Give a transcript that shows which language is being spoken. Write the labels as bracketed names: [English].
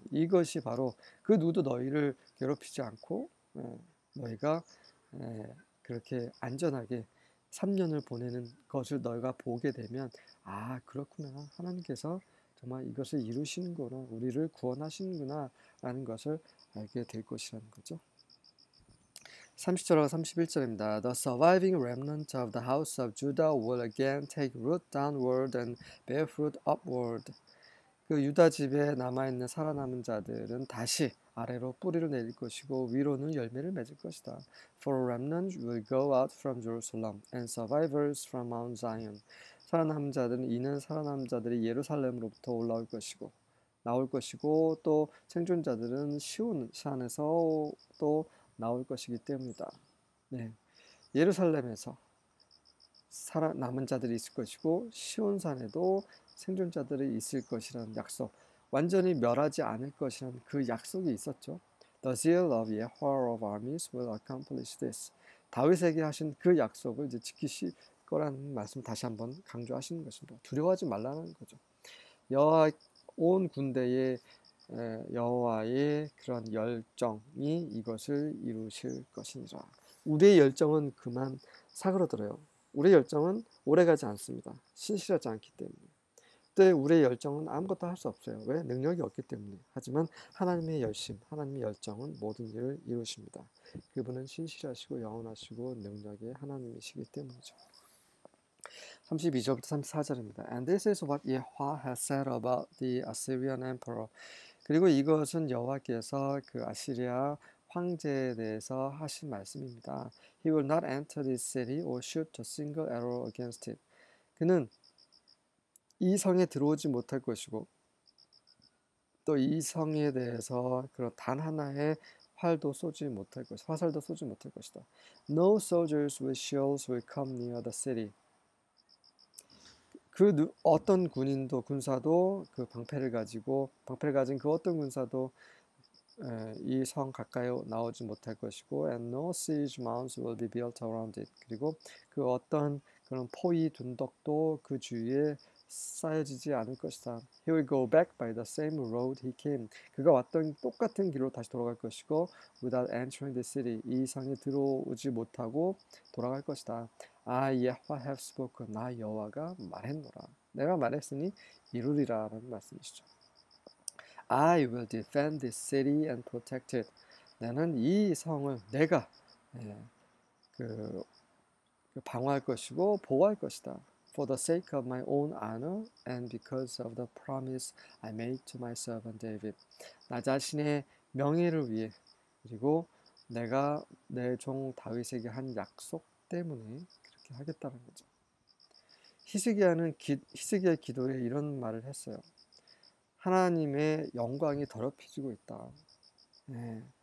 [Korean] 이것이 바로 그 누구도 너희를 괴롭히지 않고, 너희가 그렇게 안전하게 3년을 보내는 것을 너희가 보게 되면, 아, 그렇구나. 하나님께서 정말 이것을 이루시는구나. 우리를 구원하시는구나. 라는 것을 알게 될 것이라는 거죠. 30절과 31절입니다. [English] The surviving remnant of the house of Judah will again take root downward and bear fruit upward. [Korean] 그 유다 집에 남아있는 살아남은 자들은 다시 아래로 뿌리를 내릴 것이고 위로는 열매를 맺을 것이다. [English] For a remnant will go out from Jerusalem and survivors from Mount Zion. [Korean] 살아남은 자들은 이는 살아남은 자들이 예루살렘으로부터 올라올 것이고 나올 것이고 또 생존자들은 시온 산에서 또 나올 것이기 때문이다. 네. 예루살렘에서 살아남은 자들이 있을 것이고 시온산에도 생존자들이 있을 것이라는 약속, 완전히 멸하지 않을 것이라는 그 약속이 있었죠. [English] The zeal of Yehovah of armies will accomplish this. [Korean] 다윗에게 하신 그 약속을 이제 지키실 거라는 말씀 다시 한번 강조하시는 것입니다. 두려워하지 말라는 거죠. 여호와 온 군대의 여호와의 그런 열정이 이것을 이루실 것이니라. 우리의 열정은 그만 사그러들어요. 우리의 열정은 오래가지 않습니다. 신실하지 않기 때문에. 그때 우리의 열정은 아무것도 할수 없어요. 왜? 능력이 없기 때문에. 하지만 하나님의 열심, 하나님의 열정은 모든 일을 이루십니다. 그분은 신실하시고 영원하시고 능력의 하나님이시기 때문이죠. 32절부터 34절입니다. [English] And this is what Yehovah has said about the Assyrian emperor. [Korean] 그리고 이것은 여호와께서 그 아시리아 황제에 대해서 하신 말씀입니다. [English] He will not enter this city or shoot a single arrow against it. [Korean] 그는 이 성에 들어오지 못할 것이고 또이 성에 대해서 그런 단 하나의 활도 쏘지 못할 것이다. 화살도 쏘지 못할 것이다. [English] No soldiers with shields will come near the city. [Korean] 어떤 군인도, 군사도 그 방패를 가진 그 어떤 군사도 이성 가까이 나오지 못할 것이고, [English] and no siege mounds will be built around it. [Korean] 그리고 그 어떤 그런 포위 둔덕도 그 주위에 쌓여지지 않을 것이다. [English] He will go back by the same road he came. [Korean] 그가 왔던 똑같은 길로 다시 돌아갈 것이고, [English] without entering the city. [Korean] 이 성에 들어오지 못하고 돌아갈 것이다. [English] I, Yehovah, have spoken. [Korean] 나 여호와가 말했노라. 내가 말했으니 이루리라 라는 말씀이시죠. [English] I will defend this city and protect it. [Korean] 나는 이 성을 내가 방어할 것이고 보호할 것이다. [English] for the sake of my own honor and because of the promise I made to my servant David. [Korean] 나 자신의 명예를 위해 그리고 내가 내 종 다윗에게 한 약속 때문에 그렇게 하겠다는 거죠. 히스기야의 기도에 이런 말을 했어요. 하나님의 영광이 더럽혀지고 있다. 네.